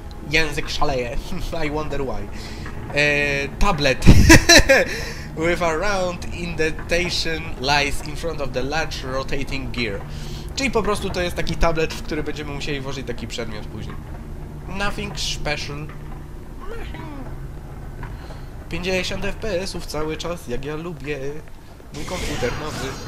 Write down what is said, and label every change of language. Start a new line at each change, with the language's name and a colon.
Polish: Język szaleje.
English: I wonder why. Tablet. with a round indentation lies in front of the large rotating gear.
Polish: Czyli po prostu to jest taki tablet, w który będziemy musieli włożyć taki przedmiot później.
English: Nothing special.
Polish: 50 FPS-ów cały czas, jak ja lubię. Mój komputer, nowy.